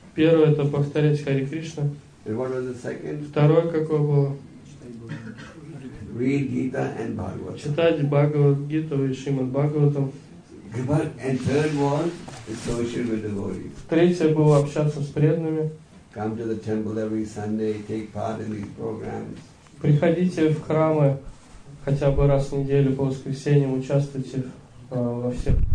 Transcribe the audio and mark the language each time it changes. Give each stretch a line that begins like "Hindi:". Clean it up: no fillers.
Russian: Первое это повторять Хари Кришна.
English: And what was the second?
Russian: Второе какое было?
English: Read Gita and Bhagavatam.
Russian: Читать Бхагавад Гиту и Шримад Бхагаватам.
English: And third one, associate with devotees.
Russian: Третье было общаться с преданными.
English: Come to the temple every Sunday, take part in these programs.
Russian: Приходите в храмы хотя бы раз в неделю по воскресеньям, участвуйте во всех